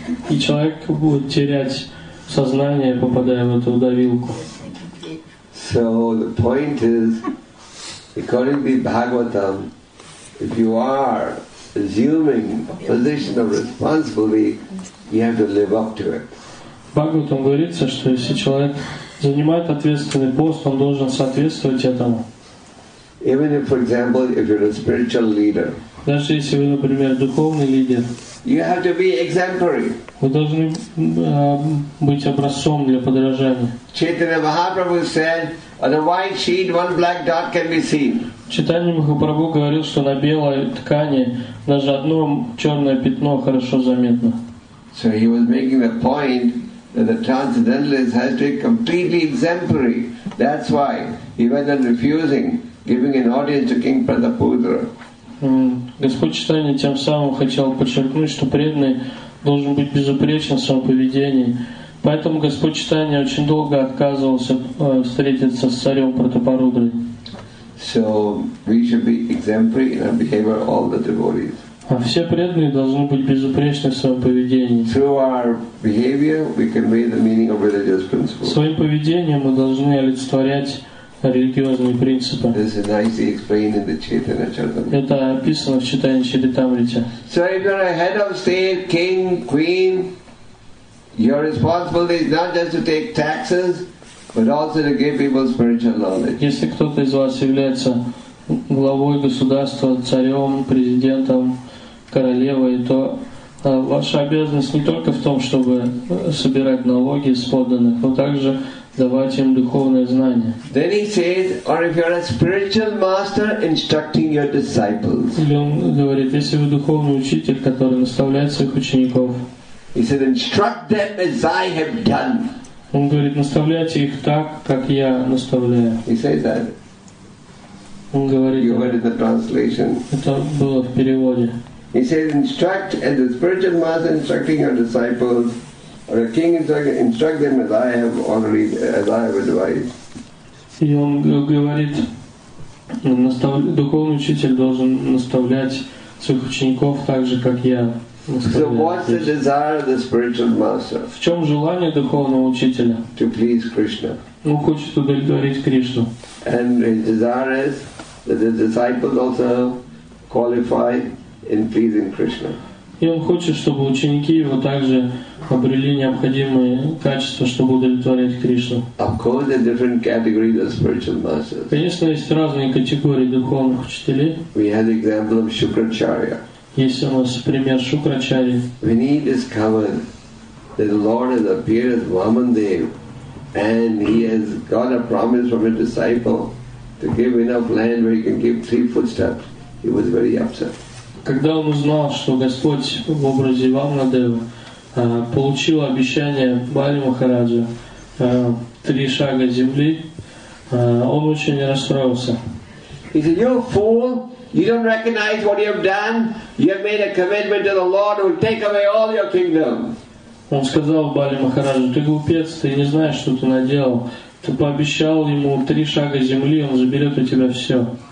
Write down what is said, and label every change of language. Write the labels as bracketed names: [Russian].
[Russian] И человек будет терять сознание, попадая в эту давилку. [English] So the point is, according to the Bhagavatam, if you are assuming a position of responsibility, you have to live up to it. [Russian] Бхагаватам говорится, что если человек занимает ответственный пост, он должен соответствовать этому. [English] Even if, for example, if you're a spiritual leader. [Russian] Даже если вы, например, духовный лидер. [English] You have to be exemplary. [Russian] Вы должны быть образцом для подражания. [English] Chaitanya Mahaprabhu said, on a white sheet, one black dot can be seen. [Russian] Chaitanya Mahaprabhu говорил, что на белой ткани даже одно черное пятно хорошо заметно. [English] So he was making the point that the transcendentalist has to be completely exemplary. That's why he went on refusing, giving an audience to King Pratapudra. [Russian] Господь Читания тем самым хотел подчеркнуть, что преданный должен быть безупречен в своем поведении. Поэтому Господь Читания очень долго отказывался встретиться с царем Пратапарудрой. [English] So we should be exemplary in our behavior all the devotees. [Russian] А все преданные должны быть безупречны в своем поведении. [English] Through our behavior, we convey the meaning of religious principles. [Russian] Своим поведением мы должны олицетворять религиозные принципы. [English] This is nicely explained in the Chaitanya Charitamrita. [Russian] Это описано в Читании Чаритамрите. [English] So if you're a head of state, king, queen, your responsibility is not just to take taxes, but also to give people spiritual knowledge. [Russian] Если кто-то из вас является главой государства, царем, президентом, королевой, то ваша обязанность не только в том, чтобы собирать налоги с подданных, но также давать им духовное знание. [English] Then he says, or if you're a spiritual master instructing your disciples. [Russian] Или он говорит, если вы духовный учитель, который наставляет своих учеников. [English] He said, instruct them as I have done. [Russian] Он говорит, наставляйте их так, как я наставляю. [English] He says that. [Russian] Он говорит. [English] You heard it in the translation. [Russian] Это было в переводе. [English] He says, instruct as a spiritual master instructing your disciples. Or a king instruct them as I have already, as I have advised. [Russian] И он говорит, духовный учитель должен наставлять своих учеников так же, как я. [English] So what's the desire of the spiritual master? [Russian] В чем желание духовного учителя? [English] To please Krishna. [Russian] Он хочет удовлетворить Кришну. [English] And his desire is that the disciples also qualify in pleasing Krishna. [Russian] И он хочет, чтобы ученики его также обрели необходимые качества, чтобы удовлетворять Кришну. [English] Of course, there are different categories of spiritual masters. [Russian] Конечно, есть разные категории духовных учителей. [English] We have the example of Shukracharya. [Russian] Есть у нас пример Шукрачарьи. [English] When he discovered that the Lord has appeared as Vamandev and he has got a promise from his disciple to give enough land where he can give 3 footsteps, he was very upset. [Russian] Когда он узнал, что Господь в образе Вамнадева получил обещание Бали Махараджа 3 шага земли, он очень расстроился. [English] He said, "You fool! You don't recognize what you have done. You have made a commitment to the Lord who will take away all your kingdom." [Russian] Он сказал Бали Махараджу: "Ты глупец, ты не знаешь, что ты наделал. Ты пообещал ему 3 шага земли, он заберет у тебя все."